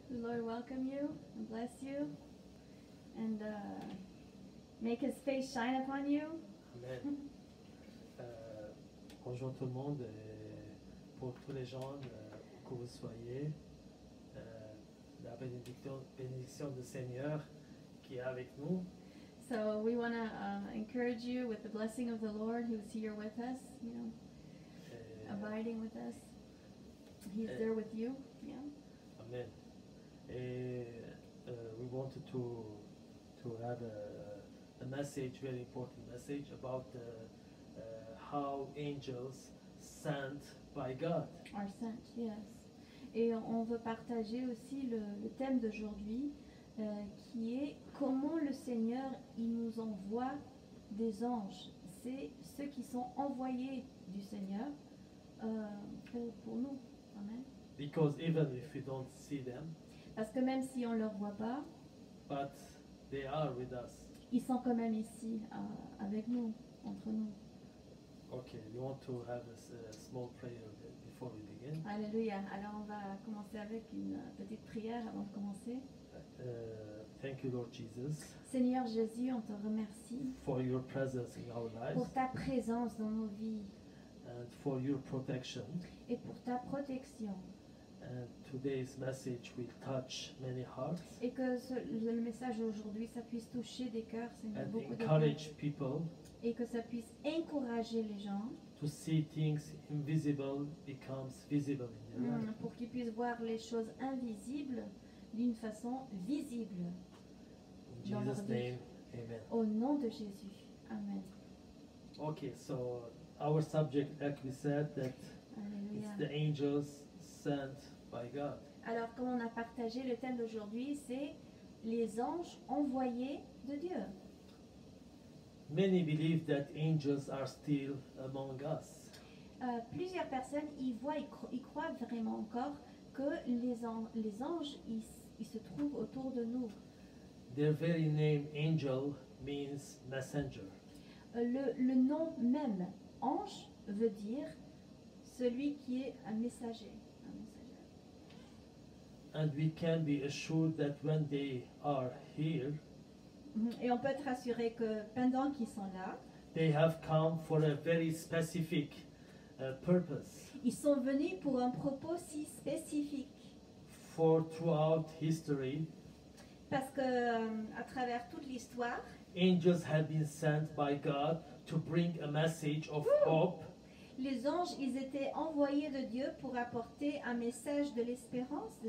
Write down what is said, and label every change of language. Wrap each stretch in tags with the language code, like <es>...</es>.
<en>The Lord welcome you and bless you and make his face shine upon you. Amen.</en> <fr>Bonjour tout le monde. Et pour tous les gens, où que vous soyez, la bénédiction du Seigneur qui est avec nous.</fr> <en>So we want to encourage you with the blessing of the Lord who's here with us, you know, abiding with us. He's there with you, yeah. Amen. And we wanted to have a message, very important message, about how angels sent by God. Are sent, yes.</en> <fr>Et on veut partager aussi le thème d'aujourd'hui. Qui est comment le Seigneur il nous envoie des anges. C'est ceux qui sont envoyés du Seigneur pour nous. Amen.</fr> <en>Because even if we don't see them,</en> <fr>parce que même si on ne leur voit pas,</fr> <en>but they are with us.</en> <fr>Ils sont quand même ici avec nous, entre nous.</fr> <en>Ok, you want to have a small prayer before we begin? Alléluia.</en> <fr>Alors on va commencer avec une petite prière avant de commencer.</fr> <en>Thank you, Lord Jesus.</en> <fr>Seigneur Jésus, on te remercie.</fr> <en>For your presence in our lives.</en> <fr>Pour ta présence dans nos vies.</fr> <en>And for your protection.</en> <fr>Et pour ta protection.</fr> <en>And today's message will touch many hearts.</en> <fr>Et que le message aujourd'hui ça puisse toucher des cœurs, Seigneur,</fr> <en>and</en> <fr>beaucoup</fr> <en>encourage people.</en> <fr>Et que ça puisse encourager les gens.</fr> <en>To see things invisible becomes visible in your life.</en> <fr>Pour qu'ils puissent voir les choses invisibles d'une façon visible.</fr> <en>In Jesus' name, amen.</en> <fr>Au nom de Jésus, amen.</fr> <en>Okay, so our subject, like we said, that it's the angels sent by God.</en> <fr>Alors, comme on a partagé le thème d'aujourd'hui, c'est les anges envoyés de Dieu.</fr> <en>Many believe that angels are still among us.</en> <fr>Plusieurs personnes y voient, y croient vraiment encore que les anges ils se trouvent autour de nous.</fr> <en>Their very name, angel, means messenger.</en> <fr>Le nom même, ange, veut dire celui qui est un messager.</fr> <en>And we can be assured that when they are here,</en> <fr>et on peut être assuré que pendant qu'ils sont là,</fr> <en>they have come for a very specific purpose.</en> <fr>Ils sont venus pour un propos si spécifique.</fr> <en>For throughout history,</en> <fr>parce que à travers toute l'histoire,</fr> <en>angels have been sent by God to bring a message of hope.</en> <fr>Les anges, ils étaient envoyés de Dieu pour apporter un message de l'espérance de</fr>